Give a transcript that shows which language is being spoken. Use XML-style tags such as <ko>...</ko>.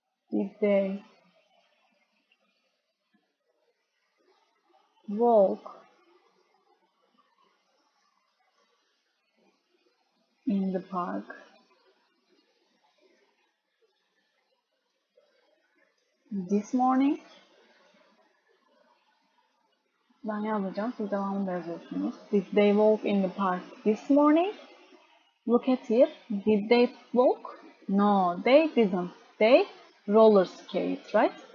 <en>Did they walk in the park this morning?</en> <tr>Ben yazacağım, siz devamını da yazıyorsunuz.</tr> <en>Did they walk in the park this morning? Look at here. Did they walk? No, they didn't. They roller skate, right?</en>